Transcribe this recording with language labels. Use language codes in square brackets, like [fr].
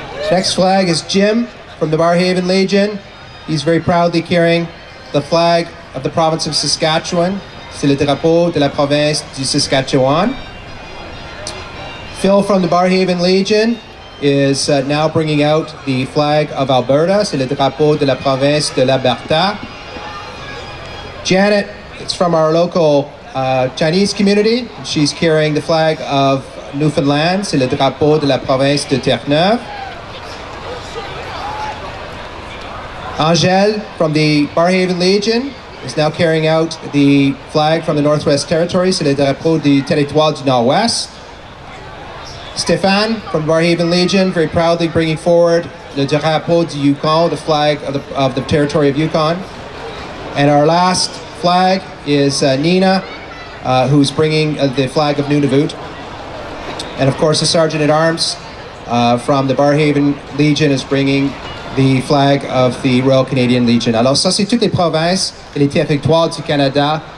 [en] Next flag is Jim from the Barrhaven Legion. He's very proudly carrying the flag of the province of Saskatchewan. [fr] C'est le drapeau de la province du Saskatchewan. [en] Phil from the Barrhaven Legion is now bringing out the flag of Alberta. [fr] C'est le drapeau de la province de l'Alberta. [en] Janet, it's from our local Chinese community. She's carrying the flag of Newfoundland. [fr] C'est le drapeau de la province de Terre-Neuve. [en] Angèle from the Barrhaven Legion is now carrying out the flag from the Northwest Territory. [fr] C'est le drapeau du Territoire du Nord-Ouest. [en] Stéphane from Barrhaven Legion, very proudly bringing forward [fr] le drapeau du Yukon, [en] the flag of the territory of Yukon. And our last flag is Nina, who's bringing the flag of Nunavut. And of course, the Sergeant at Arms from the Barrhaven Legion is bringing the flag of the Royal Canadian Legion. [fr] Alors, ça c'est toutes les provinces et les territoires du Canada.